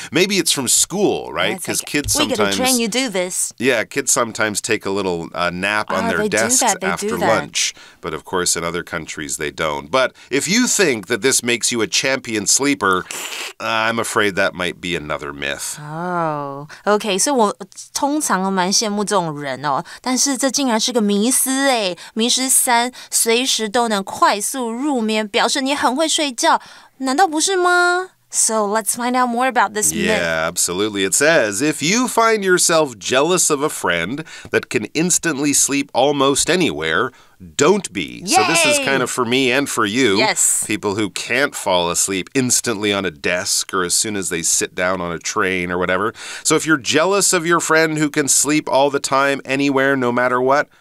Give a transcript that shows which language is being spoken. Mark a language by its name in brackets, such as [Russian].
[English] Maybe it's from school, right? Because kids sometimes... We get to train you do this. Yeah, kids sometimes take a little nap on their desks after lunch. But of course, in other countries, they don't. But if you think that this makes you a champion sleeper, I'm afraid that might be another myth. Oh, okay. [Chinese] 所以我通常蛮羡慕这种人哦，但是这竟然是个迷思哎。迷思三，随时都能快速入眠，表示你很会睡觉，难道不是吗？ [English] So let's find out more about this myth. Yeah, absolutely. It says, if you find yourself jealous of a friend that can instantly sleep almost anywhere, don't be. Yay! So this is kind of for me and for you. Yes. People who can't fall asleep instantly on a desk or as soon as they sit down on a train or whatever. So if you're jealous of your friend who can sleep all the time, anywhere, no matter what,